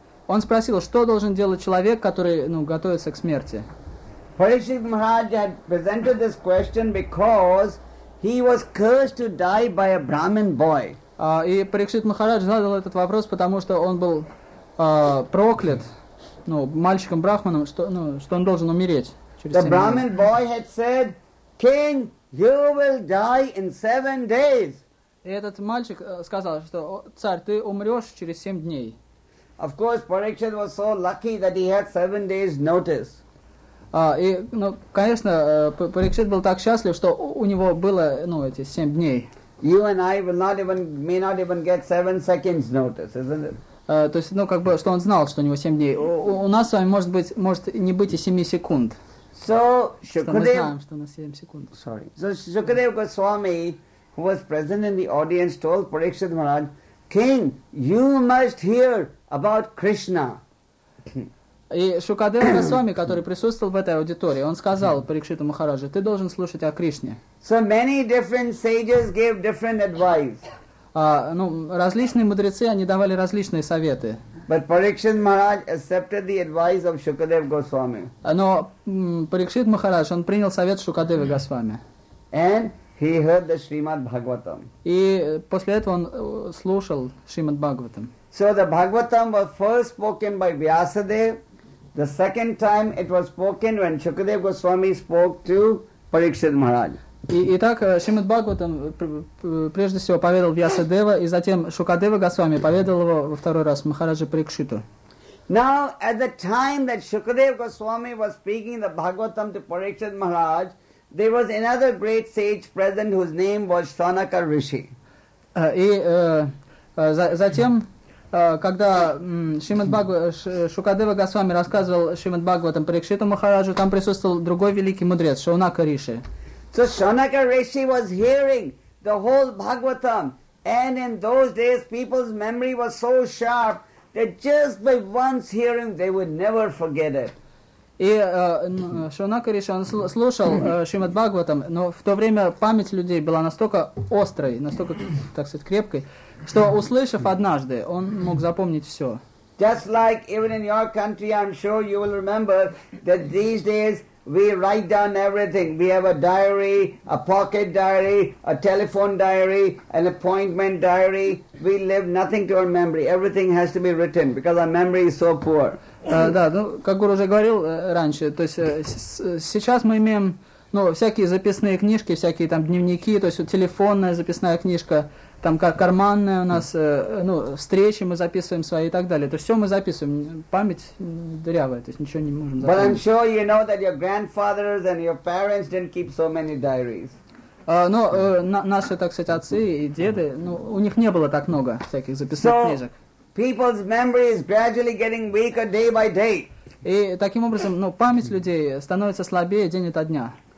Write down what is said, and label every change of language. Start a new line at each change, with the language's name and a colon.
Russian: Он спросил, что должен делать человек, который ну, готовится к смерти.
English: Парикшит Махарадж had presented this question because he was cursed to die by a Brahmin boy.
Russian: И Парикшит Махарадж задал этот вопрос, потому что он был проклят. Ну, мальчиком брахманом, что, ну, что он должен умереть через 7 дней.
English: The Brahmin boy had said, "King, you will die in 7 days."
Russian: И этот мальчик сказал, что царь, ты умрешь через 7 дней.
English: Of course, Parikshit was so lucky that he had 7 days' notice.
Russian: И, ну, конечно, Парикшит был так счастлив, что у него было, ну, эти 7 дней.
English: You and I will not even may not even get 7 seconds' notice, isn't it?
Russian: То есть, ну, как бы, что он знал, что у него 7 дней. У нас с вами может быть, может не быть и 7 секунд.
English: So, Shukadev,
Russian: что мы знаем, что у нас 7 секунд.
English: Sorry. So, Shukadev Goswami, who was present in the audience, told Parikshit Maharaj, King, you must hear about Krishna.
Russian: И Шукадев Госвами, который присутствовал в этой аудитории, он сказал Парикшиту Махараджу, ты должен слушать о Кришне.
English: So, many different sages gave different advice.
Russian: Ну, различные мудрецы, они давали различные советы.
English: But Parikshit Maharaj accepted the advice of Shukadev Goswami.
Russian: Но Парикшит Махарадж, он принял совет Шукадевы Госвами.
English: And he heard the Srimad Bhagavatam.
Russian: И после этого он слушал Шримад Бхагаватам.
English: So the Bhagavatam was first spoken by Vyasadev. The second time it was spoken when Shukadev Goswami spoke to Parikshit Maharaj.
Russian: Итак, Шримад Бхагаватам прежде всего поведал Вьясадева, и затем Шукадева Госвами поведал его во второй раз Махараджа Парикшиту.
English: Now, at the time that Shukadev Goswami was speaking the Bhagavatam to Parikshit Maharaj, there was another great sage present whose name was Shaunaka Rishi.
Russian: И затем, когда Шукадева Госвами рассказывал Шримад Бхагаватам Парикшиту Махараджу, там присутствовал другой великий мудрец, Шаунака Риши.
English: So Shaunaka Rishi was hearing the whole Bhagavatam, and in those days people's memory was so sharp that just by once hearing they would never forget it.
Russian: И Шаунака Риши он слушал Шримад Бхагаватам, но в то время память людей была настолько острой, настолько, так сказать, крепкой, что услышав однажды, он мог запомнить все.
English: Just like even in your country, I'm sure you will remember that these days we write down everything. We have a diary, a pocket diary, a telephone diary, an appointment diary. We leave nothing to our memory. Everything has to be written because our memory is so poor.
Russian: Да, ну, как Гуру уже говорил раньше, то есть сейчас мы имеем, ну, всякие записные книжки, всякие там дневники, то есть телефонная записная книжка, там карманная у нас, ну, встречи мы записываем свои и так далее. То есть все мы записываем, память дырявая, то есть ничего не можем запомнить.
English: But I'm sure you know that your grandfathers and your parents didn't keep so many diaries.
Russian: Но наши, так сказать, отцы и деды, ну, у них не было так много всяких записных книжек.
English: So people's memory is gradually getting weaker day by day.
Russian: И таким образом, ну, память людей становится слабее день ото дня.